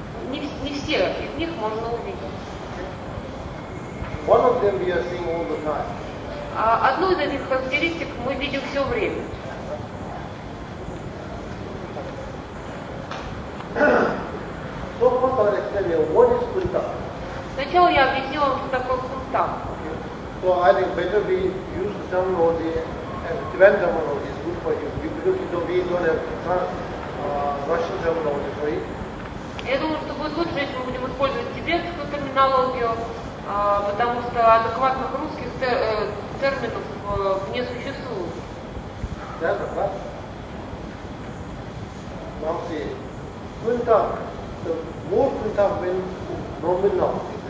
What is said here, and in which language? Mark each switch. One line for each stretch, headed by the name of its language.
Russian: Не все из них можно увидеть.
English: One of them we are seeing all the time.
Russian: Одну из этих характеристик мы видим все время.
English: So first I'll explain you what is quinta.
Russian: Сначала я объясню вам, что такое quinta.
English: So I think better we use the terminology as Tibetan terminology is good for you. Because we don't have Russian terminology for it.
Russian: Я думаю, что будет лучше, если мы будем использовать тибетскую терминологию, потому что адекватных русских терминов не существует. Да, да, да.
English: Now see, kuntak, the word kuntak means nominal.